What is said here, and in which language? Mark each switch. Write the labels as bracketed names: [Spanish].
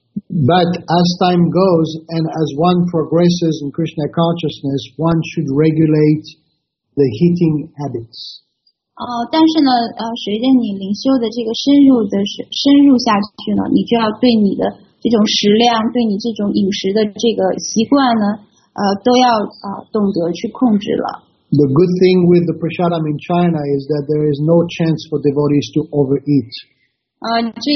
[English] But as time goes and as one progresses in Krishna consciousness, one should regulate the heating habits. [Chinese] 但是呢，随着你灵修的这个深入下去呢，你就要对你的这种食量，对你这种饮食的这个习惯呢，都要懂得去控制了。The [English] good thing with the prasadam in China is that there is no chance for devotees to overeat.